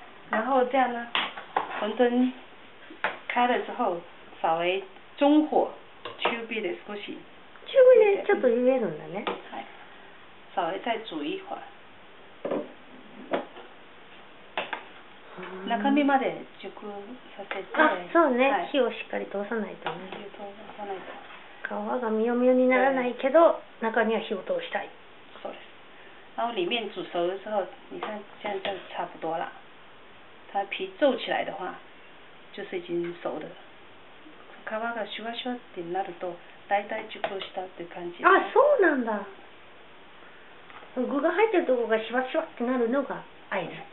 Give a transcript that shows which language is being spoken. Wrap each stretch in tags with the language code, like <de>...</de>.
<zh>然后这样呢，馄饨开了之后，稍微中火，</zh> <ja>中火で少し。中火でちょっと入れるんだね。はい。</ja> <zh>稍微再煮一会儿。</zh> <ja>中身まで熟させて。あ、そうね。火をしっかり通さないとね。火を通さないと。皮がみよみよにならないけど、中には火を通したい。そうです。</ja> <zh>然后里面煮熟了之后，你看现在就差不多了。它皮皱起来的话，就是已经熟的。</zh> <ja>皮がシュワシュワってなると、大体熟したって感じ。あ、そうなんだ。具が入ってるとこがシュワシュワってなるのが合図。</ja>